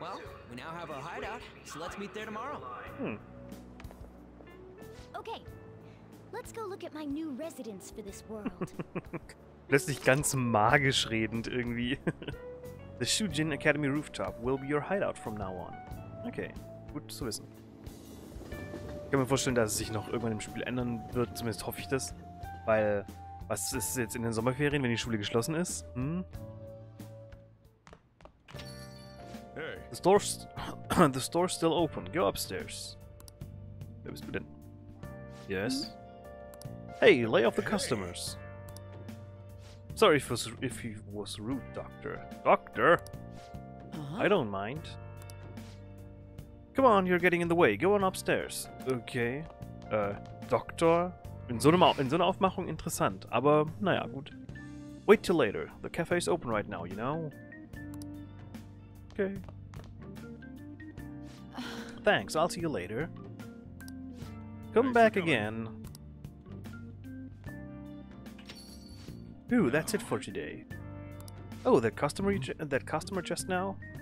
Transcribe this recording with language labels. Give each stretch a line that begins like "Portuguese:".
English: Well, we now have our hideout, so let's meet there tomorrow. Okay, let's go look at my new residence for this world.
German: Lässt sich ganz magisch redend irgendwie.
English: The Shujin Academy rooftop will be your hideout from now on.
German: Okay, gut zu wissen. Ich kann mir vorstellen, dass es sich noch irgendwann im Spiel ändern wird. Zumindest hoffe ich das. Weil, was ist jetzt in den Sommerferien, wenn die Schule geschlossen ist?
English: Hey. The store's still open. Go upstairs.
German: Wer bist du denn?
English: Yes. Hey, lay off the customers. Sorry if he was rude, Doctor. Doctor? Uh-huh. I don't mind. Come on, you're getting in the way. Go on upstairs. Okay. Doctor?
German: In so einer Aufmachung interessant, aber naja, gut.
English: Wait till later. The cafe is open right now, you know? Okay. Thanks, I'll see you later. Come back again. Ooh, that's it for today. Oh, that customer just now?